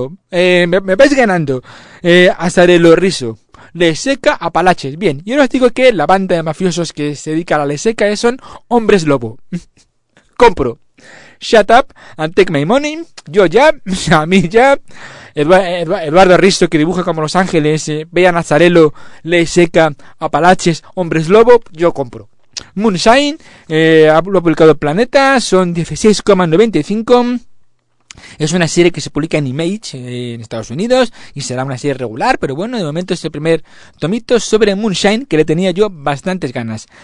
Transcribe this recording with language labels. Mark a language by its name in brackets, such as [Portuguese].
[Spanish] Me vais ganando. Azzarello, Risso. Ley Seca, Apalaches. Bien, yo os digo que la banda de mafiosos que se dedica a la Ley Seca son Hombres Lobo. Compro. [English] Shut up and take my money. [Spanish] Yo ya, a mí ya. Eduardo Risso, que dibuja como Los Ángeles. Bea Azzarello, Ley Seca, Apalaches, Hombres Lobo. Yo compro. Moonshine, lo ha publicado Planeta. Son 16,95. Es una serie que se publica en Image, en Estados Unidos, y será una serie regular, pero bueno, de momento es el primer tomito sobre Moonshine, que le tenía yo bastantes ganas.